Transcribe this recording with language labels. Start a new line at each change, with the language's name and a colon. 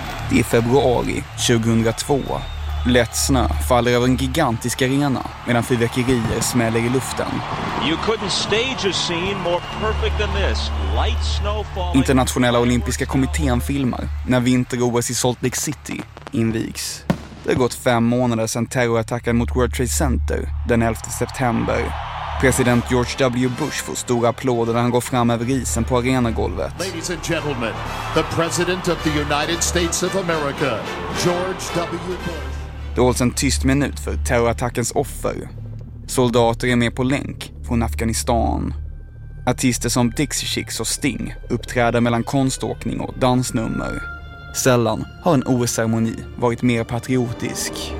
Swedish: Det är februari 2002. Lätt snö faller över en gigantisk arena medan fyrverkerier smäller i luften.
English: You couldn't stage a scene more perfect than this. Light snow falling.
Swedish: Internationella olympiska kommittén filmar när vinter-OS i Salt Lake City invigs. Det har gått 5 månader sedan terrorattacken mot World Trade Center den 11 september. President George W. Bush får stora applåder när han går fram över isen på arenagolvet.
English: Ladies and gentlemen, the president of the United States of America, George W. Bush.
Swedish: Det hålls en tyst minut för terrorattackens offer. Soldater är med på länk från Afghanistan. Artister som Dixie Chicks och Sting uppträder mellan konståkning och dansnummer. Sällan har en OS-ceremoni varit mer patriotisk.